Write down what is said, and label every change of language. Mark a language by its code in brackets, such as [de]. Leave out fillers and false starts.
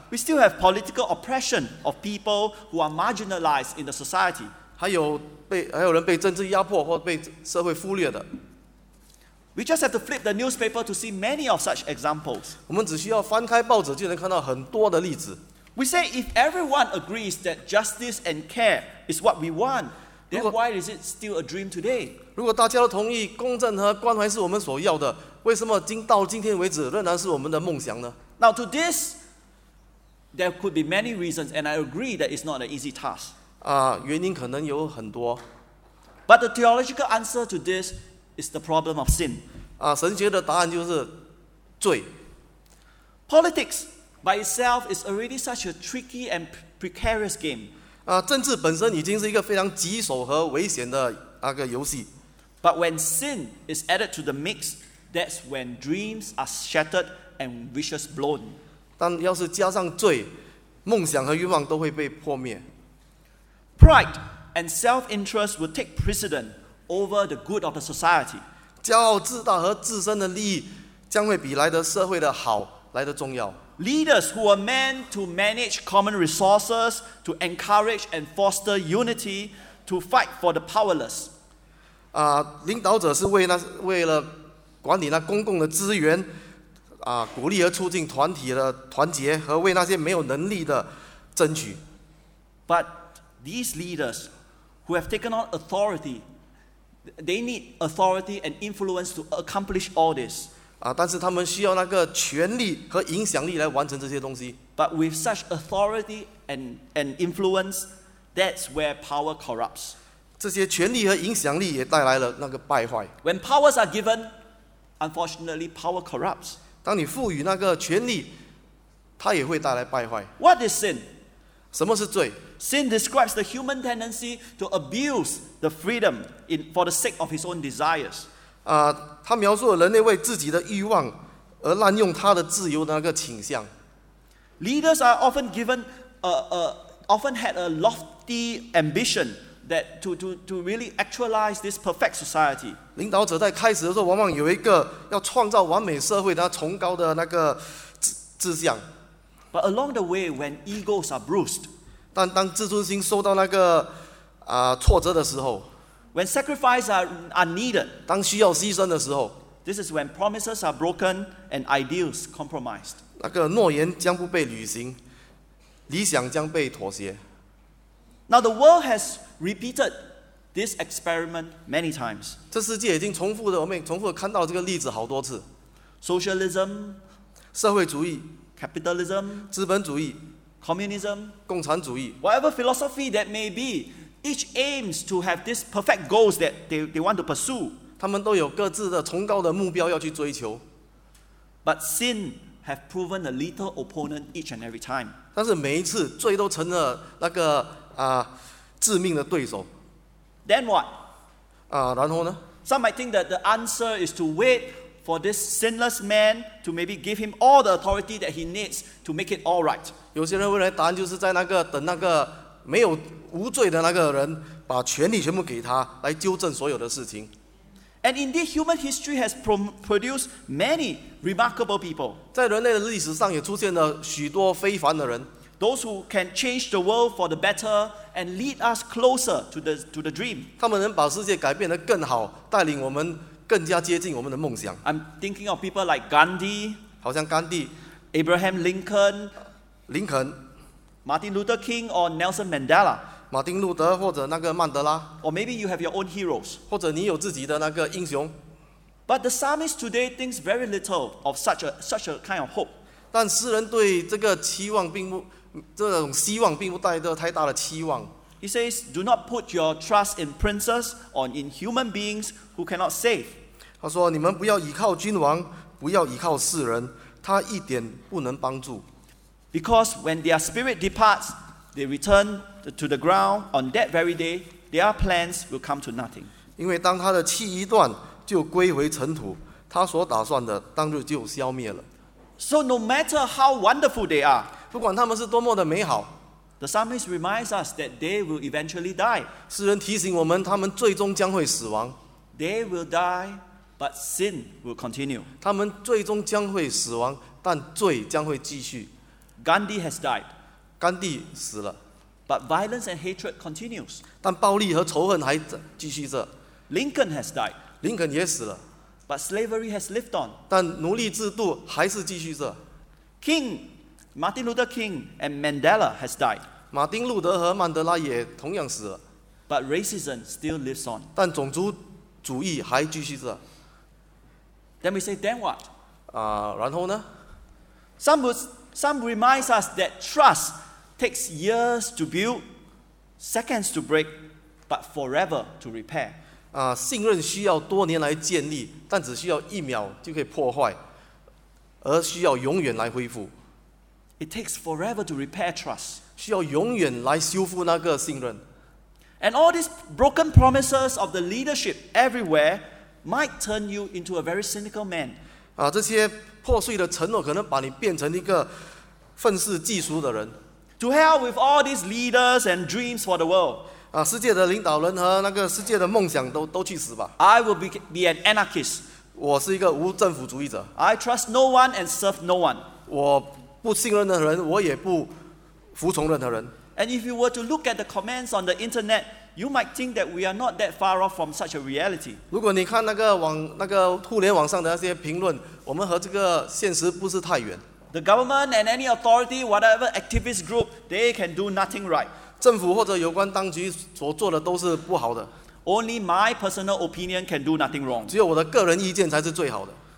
[en] we still have political oppression of people who are marginalized in the society. [zh] 还有人被政治压迫或被社会忽略的。 [en] We just have to flip the newspaper to see many of such examples. [zh] 我们只需要翻开报纸就能看到很多的例子。 [en] We say if everyone agrees that justice and care is what we want, then why is it still a dream today? [zh] 如果大家都同意公正和关怀是我们所要的。为什么到今天为止仍然是我们的梦想呢？ [en] Now to this, there could be many reasons, and I agree that it's not an easy task. [zh] 原因可能有很多。 [en] But the theological answer to this is the problem of sin. [zh] 神学的答案就是罪。 [en] Politics by itself is already such a tricky and precarious game. [zh] 政治本身已经是一个非常棘手和危险的那个游戏。 [en] But when sin is added to the mix,That's when dreams are shattered and wishes blown. [zh] 但要是加上罪，梦想和愿望都会被破灭。 [en] Pride and self-interest will take precedence over the good of the society. [zh] 骄傲自大和自身的利益将会比来的社会的好来的重要。 [en] Leaders who are meant to manage common resources, to encourage and foster unity, to fight for the powerless. [zh] 领导者是为了管理那公共的资源，鼓励和促进团体的团结，和为那些没有能力的争取。 [en] But these leaders who have taken on authority, they need authority and influence to accomplish all this. [zh] 但是他们需要那个权力和影响力来完成这些东西。 [en] But with such authority and influence, that's where power corrupts. [zh] 这些权力和影响力也带来了那个败坏。 [en] When powers are given,Unfortunately, power corrupts. [zh] 当你赋予那个权力，它也会带来败坏。 [en] What is sin? [zh] 什么是罪？ [en] Sin describes the human tendency to abuse the freedom for the sake of his own desires. [zh] 它描述了人类为自己的欲望而滥用他的自由的那个倾向。 [en] Leaders are often given often had a lofty ambition. That to really actualize this perfect society. [zh] 领导者在开始的时候，往往有一个要创造完美社会的崇高的那个志向。 [en] But along the way, when egos are bruised, [zh] 但当自尊心受到那个挫折的时候 [en] ，when sacrifices are needed, [zh] 当需要牺牲的时候 [en] ，this is when promises are broken and ideals compromised. [zh] 那个诺言将不被履行，理想将被妥协。 [en] Now the world has repeated this experiment many times. [zh] 这世界已经重复了，我们重复看到这个例子好多次。 [en] Socialism, [zh] 社会主义 [en] ；Capitalism, [zh] 资本主义 [en] ；Communism, [zh] 共产主义 [en] ；Whatever philosophy that may be, each aims to have this perfect goals that they want to pursue. [zh] 他们都有各自的崇高的目标要去追求。 [en] But sin have proven a little opponent each and every time. [zh] 但是每一次罪都成了那个致命的对手。 [en] Then what? [zh] 然后呢？ [en] Some might think that the answer is to wait for this sinless man to maybe give him all the authority that he needs to make it all right. [zh] 有些人未来答案就是在那个等那个没有无罪的那个人把权力全部给他来纠正所有的事情。 [en] And indeed, human history has produced many remarkable people. [zh] 在人类的历史上也出现了许多非凡的人。 [en] Those who can change the world for the better and lead us closer to the dream. [zh] 他们能把世界改变得更好，带领我们更加接近我们的梦想。 [en] I'm thinking of people like Gandhi. [zh] 好像甘地。 [en] Abraham Lincoln. [zh] 林肯。 [en] Martin Luther King or Nelson Mandela. [zh] 马丁路德或者那个曼德拉。 [en] Or maybe you have your own heroes. [zh] 或者你有自己的那个英雄。 [en] But the psalmist today thinks very little of such a kind of hope. [zh] 但诗人对这个期望并不。这种希望并不带着太大的期望。 [en] He says, "Do not put your trust in princes or in human beings who cannot save." [zh] 他说：“你们不要依靠君王，不要依靠世人，他一点不能帮助。 [en] Because when their spirit departs, they return to the ground. On that very day, their plans will come to nothing." [zh] 因为当他的气一断，就归回尘土，他所打算的当日就消灭了。 [en] So no matter how wonderful they are. [zh] 不管他们是多么的美好 [en] ，The psalmist reminds us that they will eventually die. [zh] 诗人提醒我们，他们最终将会死亡。 [en] They will die, but sin will continue. [zh] 他们最终将会死亡，但罪将会继续。 [en] Gandhi has died. [zh] 甘地死了。 [en] But violence and hatred continues. [zh] 但暴力和仇恨还继续着。 [en] Lincoln has died. [zh] 林肯也死了。 [en] But slavery has lived on. [zh] 但奴隶制度还是继续着。 [en] King. Martin Luther King and Mandela has died. [zh] 马丁路德和曼德拉也同样死了。 [en] But racism still lives on. [zh] 但种族主义还继续着。 [en] Then we say, then what? [zh] 然后呢？ [en] Some reminds us that trust takes years to build, seconds to break, but forever to repair. [zh] 信任需要多年来建立，但只需要一秒就可以破坏，而需要永远来恢复。 [en] It takes forever to repair trust. [zh] 需要永远来修复那个信任。 [en] And all these broken promises of the leadership everywhere might turn you into a very cynical man. [zh] 这些破碎的承诺可能把你变成一个愤世嫉俗的人。 [en] To hell with all these leaders and dreams for the world. [zh] 世界的领导人和那个世界的梦想都去死吧。 [en] I will be an anarchist. [zh] 我是一个无政府主义者。 [en] I trust no one and serve no one. [zh] 我不信任的人，我也不服从任何人。 [en] And if you were to look at the comments on the internet, you might think that we are not that far off from such a reality. [zh] 如果你看那个互联网上的那些评论，我们和这个现实不是太远。 [en] The government and any authority, whatever activist group, they can do nothing right. [zh] 政府或者有关当局所做的都是不好的。 [en] Only my personal opinion can do nothing wrong. [zh] 只有我的个人意见才是最好的。